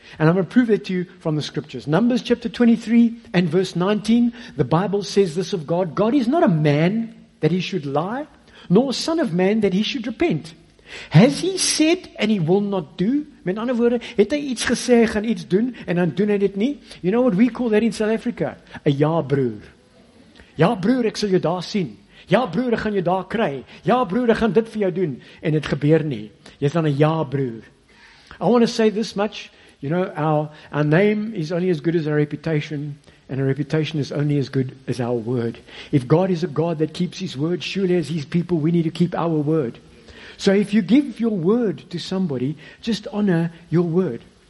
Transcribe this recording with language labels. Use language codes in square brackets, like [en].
[en] And I'm going to prove it to you from the scriptures. Numbers chapter 23 and verse 19, the Bible says this of God. God is not a man that he should lie, nor a son of man that he should repent. Has he said and he will not do? [af] Met ander woorde, het hy iets gesê, gaan iets doen, en dan doen hy dit nie? [en] You know what we call that in South Africa? [af] A ja broer. Ja broer, ek sal jou daar sien. Ja broer, ek gaan jou daar kry. Ja broer, ek gaan dit vir jou doen. En het gebeur nie. Jy is dan 'n ja broer. [en] I want to say this much. You know, our name is only as good as our reputation, and our reputation is only as good as our word. If God is a God that keeps His word, surely as His people, we need to keep our word. So if you give your word to somebody, just honor your word.